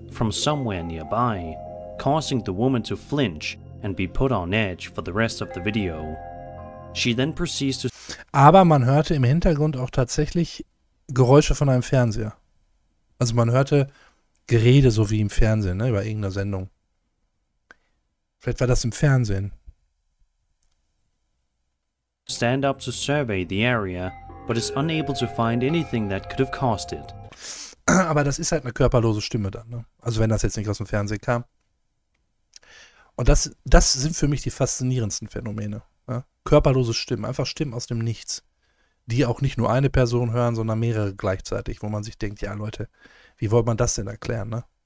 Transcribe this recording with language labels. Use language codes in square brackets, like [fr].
[en] from somewhere nearby, causing the woman to flinch and be put on edge for the rest of the video. She then proceeds to [de] Aber man hörte im Hintergrund auch tatsächlich Geräusche von einem Fernseher. Also man hörte Gerede, so wie im Fernsehen, ne, über irgendeine Sendung. Vielleicht war das im Fernsehen. [en] Stand up to survey the area, but is unable to find anything that could have caused it. [de] Aber das ist halt eine körperlose Stimme dann, ne? Also wenn das jetzt nicht aus dem Fernsehen kam. Und das sind für mich die faszinierendsten Phänomene, ne? Körperlose Stimmen, einfach Stimmen aus dem Nichts, die auch nicht nur eine Person hören, sondern mehrere gleichzeitig, wo man sich denkt, ja, Leute, wie wollte man das denn erklären, ne?